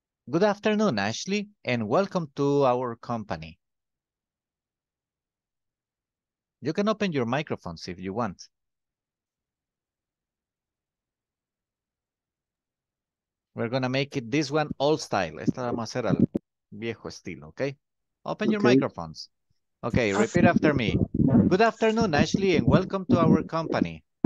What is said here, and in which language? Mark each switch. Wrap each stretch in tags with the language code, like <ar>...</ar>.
<en>Good afternoon, Ashley, and welcome to our company. You can open your microphones if you want. We're going to make it this one old style.</en> <es>Esta vamos a hacer al viejo estilo, okay?</es> <en>Open your microphones. Okay, repeat after me. Good afternoon, Ashley, and welcome to our company.</en>